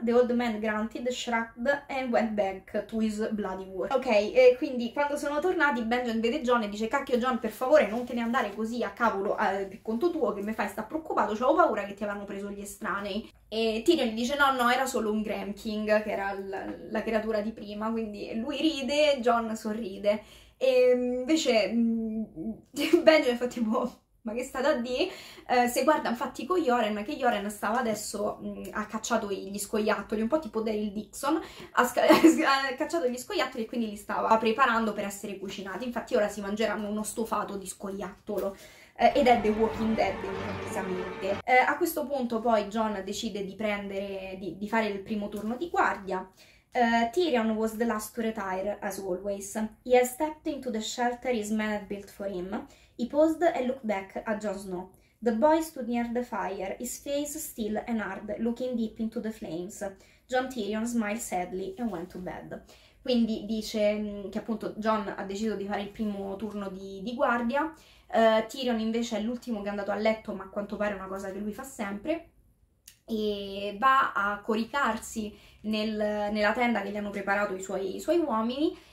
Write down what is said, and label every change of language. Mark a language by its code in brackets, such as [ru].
[en] The old man grunted, shrugged, and went back to his bloody work. [it] Ok, quindi quando sono tornati, Benjen vede Jon e dice: Cacchio, Jon, per favore, non te ne andare così a cavolo, per conto tuo, che me fai sta preoccupato, c'ho paura che ti avranno preso gli estranei. E Tyrion dice: No, no, era solo un Graham King, che era la creatura di prima. Quindi lui ride, Jon sorride. E invece, Benjen fa tipo: Ma che è stato a dì? Se guarda, infatti, con Yoren, che Yoren stava adesso, ha cacciato gli scoiattoli, un po' tipo Daryl Dixon, ha cacciato gli scoiattoli e quindi li stava preparando per essere cucinati. Infatti, ora si mangeranno uno stufato di scoiattolo. Ed è The Walking Dead improvvisamente. A questo punto poi Jon decide di prendere di fare il primo turno di guardia. [en] Tyrion was the last to retire, as always. He had stepped into the shelter his men had built for him. He paused and looked back at Jon Snow. The boy stood near the fire, his face still and hard, looking deep into the flames. Jon Tyrion smiled sadly and went to bed. [it] Quindi dice che appunto Jon ha deciso di fare il primo turno di guardia. Tyrion invece è l'ultimo che è andato a letto, ma a quanto pare è una cosa che lui fa sempre. E va a coricarsi nella tenda che gli hanno preparato i suoi uomini.